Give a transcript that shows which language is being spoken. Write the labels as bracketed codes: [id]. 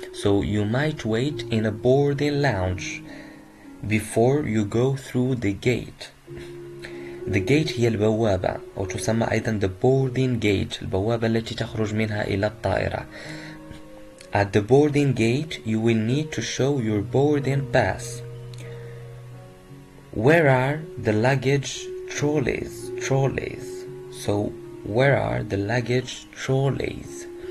[en] so you might wait in a boarding lounge before you go through the gate. the gate [ar] هي البوابة وتسمى أيضا the boarding gate، البوابة التي تخرج منها إلى الطائرة. [en] at the boarding gate you will need to show your boarding pass. Where are the luggage trolleys? Trolleys. So, where are the luggage trolleys?